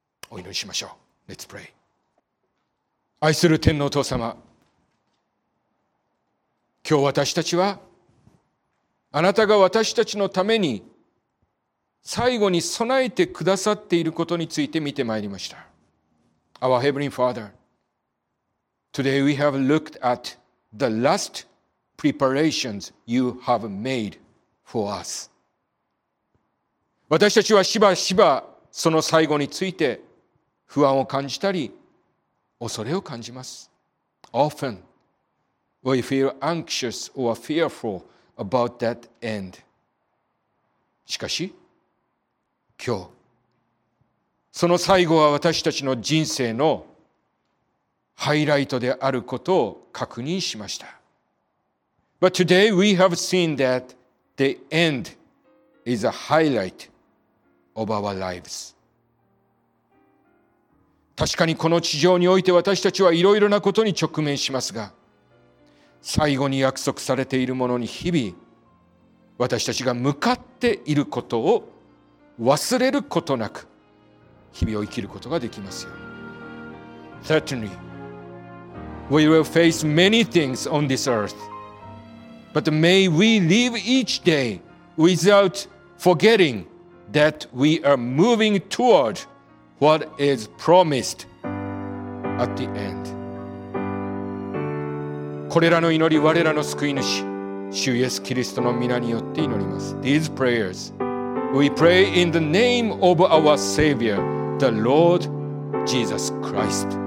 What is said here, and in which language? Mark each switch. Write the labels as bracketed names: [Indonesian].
[Japanese] お祈りしましょう。 [English] Let's pray。 [Japanese] 愛する天のお父様、今日私たちはあなたが私たちのために最後に備えてくださっていることについて見てまいりました。 [English] Our Heavenly Father, today we have looked at the last preparations you have made for us。 [Japanese] 私たちはしばしばその最後について不安を感じたり恐れを感じます。 [English] OftenWe feel anxious or fearful about that end. [Japanese] しかし、今日、その最後は私たちの人生のハイライトであることを確認しました。 [English] But today we have seen that the end is a highlight of our lives. [Japanese] 確かにこの地上において私たちはいろいろなことに直面しますが、最後に約束されているものに日々私たちが向かっていることを忘れることなく日々を生きることができますように。 [English] Certainly we will face many things on this earth, but may we live each day without forgetting that we are moving toward what is promised at the end。 [Japanese] これらの祈り、我らの救い主、主イエス・キリストの御名によって祈ります。 [English] These prayers, we pray in the name of our Savior, the Lord Jesus Christ.